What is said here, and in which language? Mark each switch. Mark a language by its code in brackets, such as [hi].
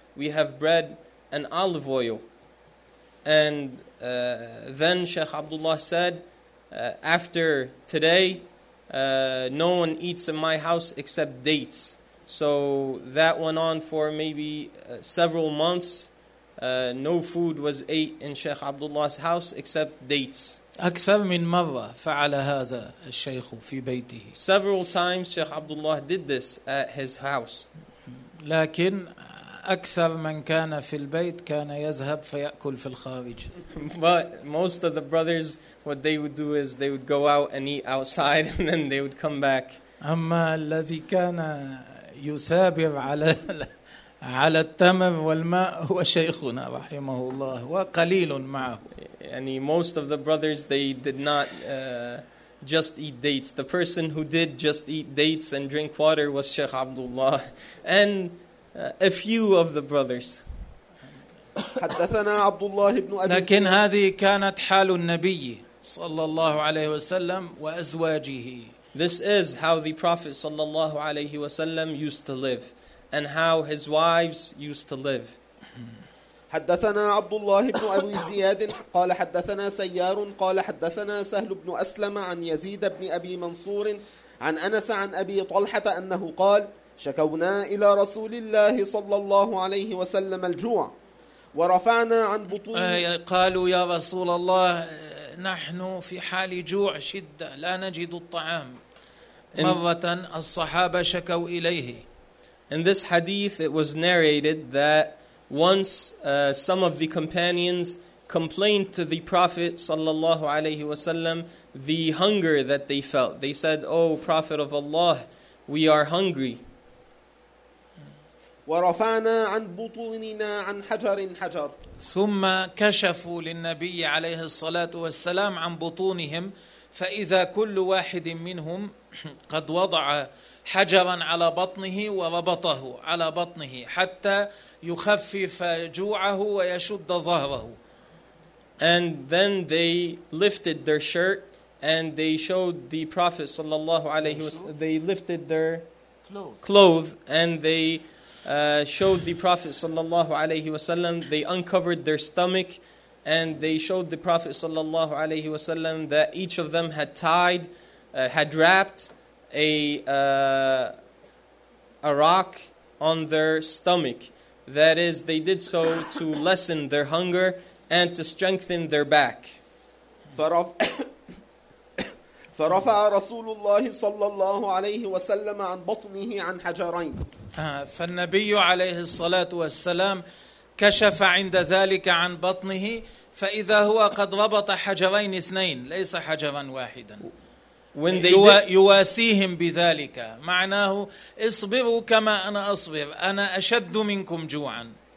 [en] We have bread and olive oil. And then Sheikh Abdullah said, after today, no one eats in my house except dates. So that went on for maybe several months. No food was ate in Sheikh Abdullah's house except dates. [ar] أكثر من مرة فعل هذا الشيخ في بيته. [en] Several times Sheikh Abdullah did this at his house. [ar] لكن أكثر من كان في البيت كان يذهب فيأكل في الخارج. [en] But most of the brothers, what they would do is they would go out and eat outside and then they would come back. [ar] أما الذي كان يسابر على التمر والماء هو شيخنا رحمه الله وقليل معه. [en] يعني most of the brothers they did not just eat dates. The person who did just eat dates and drink water was Sheikh Abdullah and a few of the brothers. [ar] حدثنا عبد الله بن أبي. لكن هذه كانت حال النبي صلى الله عليه وسلم وأزواجه. [en] This is how the Prophet sallallahu alayhi wasallam used to live and how his wives used to live. [ar] حدثنا عبد الله بن ابي زياد قال حدثنا سيار قال حدثنا سهل بن اسلم عن يزيد بن ابي منصور عن انس عن ابي طلحه انه قال شكونا الى رسول الله صلى الله عليه وسلم الجوع ورفعنا عن بطون قالوا يا رسول الله نحن في حال جوع شدة لا نجد الطعام. مرة الصحابة شكوا إليه. [en] In this hadith, it was narrated that once some of the companions complained to the Prophet [ar] صلى الله عليه وسلم [en] the hunger that they felt. They said, "Oh, Prophet of Allah, we are hungry." [ar] ورفعنا عن بطوننا عن حجر حجر. ثم كشفوا للنبي عليه الصلاة والسلام عن بطونهم فإذا كل واحد منهم قد وضع حجرا على بطنه وربطه على بطنه حتى يخفف جوعه ويشد ظهره. [en] And then they lifted their shirt and they showed the Prophet [ar] صلى الله عليه وسلم [en] they lifted their clothes and they showed the Prophet sallallahu alayhi wasallam, they uncovered their stomach and they showed the Prophet sallallahu alayhi wasallam that each of them had tied, had wrapped a rock on their stomach. That is, they did so to lessen their hunger and to strengthen their back. [ar] فرفع رسول الله صلى الله عليه وسلم عن بطنه عن حجرين. فالنبي عليه الصلاة والسلام كشف عند ذلك عن بطنه فإذا هو قد ربط حجرين اثنين ليس حجرا واحدا يواسيهم بذلك معناه اصبروا كما أنا أصبر أنا أشد منكم جوعا.